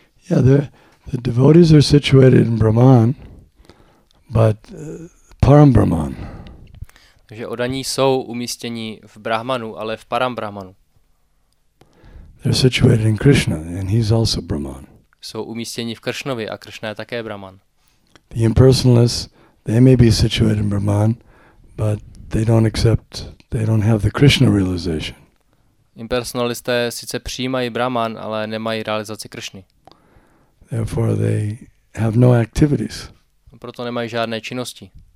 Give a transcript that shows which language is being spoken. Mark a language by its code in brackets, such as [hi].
[en] Yeah, the devotees are situated in Brahman, but Param Brahman. [cs] Takže odaní jsou umístěni v Brahmanu, ale v Param Brahmanu. [en] They're situated in Krishna, and he's also Brahman. [cs] Jsou umístěni v Kršnovi a Kršna je také Brahman. [en] The impersonalists, they may be situated in Brahman, but they don't have the Krishna realization. [cs] Impersonalisté sice přijímají Brahman, ale nemají realizaci Kršny. [en] Therefore they have no activities. [cs] Proto nemají žádné činnosti.